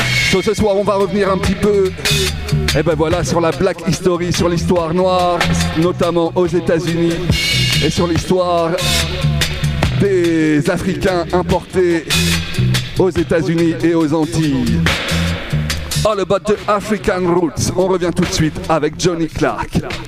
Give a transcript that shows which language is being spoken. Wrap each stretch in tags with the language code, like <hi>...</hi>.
<fr>So, ce soir, on va revenir un petit peu, et ben voilà, sur la Black History, sur l'histoire noire, notamment aux États-Unis, et sur l'histoire des Africains importés aux États-Unis et aux Antilles.</fr> <en>All about the African roots.</en> <fr>On revient tout de suite avec Johnny Clark.</fr>